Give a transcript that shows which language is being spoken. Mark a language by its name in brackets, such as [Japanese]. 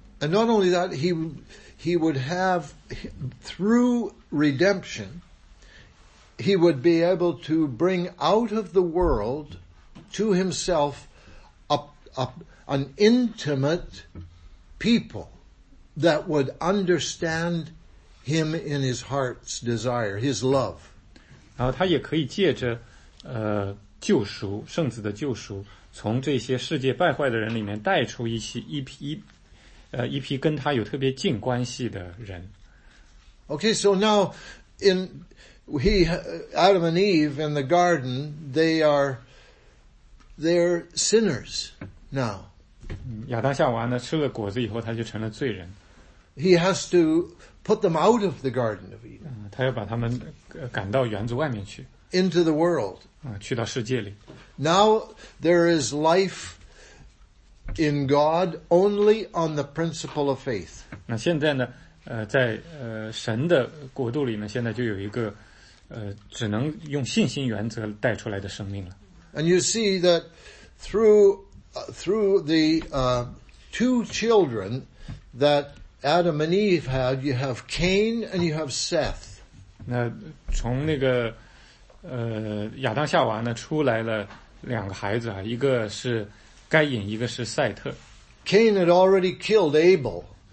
[English] And not only that, he would have through redemption, he would be able to bring out of the world to himself an intimate people that would understand him in his heart's desire, his love. [Chinese] 然后他也可以借着救赎圣子的救赎，从这些世界败坏的人里面带出一批跟他有特别近关系的人。 [English] Okay, so now in Adam and Eve in the garden, they are they're sinners now. [Chinese] 亚当夏娃呢, 吃了果子以后, 他就成了罪人。 [English] He has to put them out of the Garden of Eden. [Chinese] 他要把他们, 赶到园子外面去, [English] into the world. [Chinese] 去到世界里。 [English] Now there is life in God only on the principle of faith. [Chinese] 那现在呢, 在神的国度里呢, 现在就有一个, 只能用信心原则带出来的生命了。 [English] And you see that through the two children that Adam and Eve had, you have Cain and you have Seth. [Chinese] 那从那个, 亚当夏娃呢, 出来了两个孩子啊, 一个是该隐, 一个是赛特。 [English] Cain had already killed Abel.